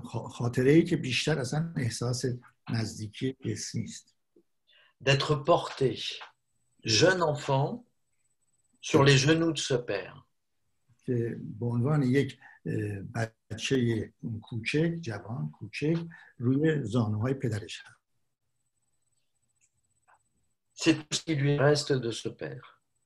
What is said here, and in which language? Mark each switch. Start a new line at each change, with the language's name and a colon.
Persian: خاطره‌ای که بیشتر اصلا احساس نزدیکی جسمی است.
French: D'être porté jeune enfant sur les genoux de ce père.
Persian: که به عنوان یک بچه کوچک، جوان، کوچک روی زانوهای پدرش هست.
French: C'est tout ce qui lui reste de ce père.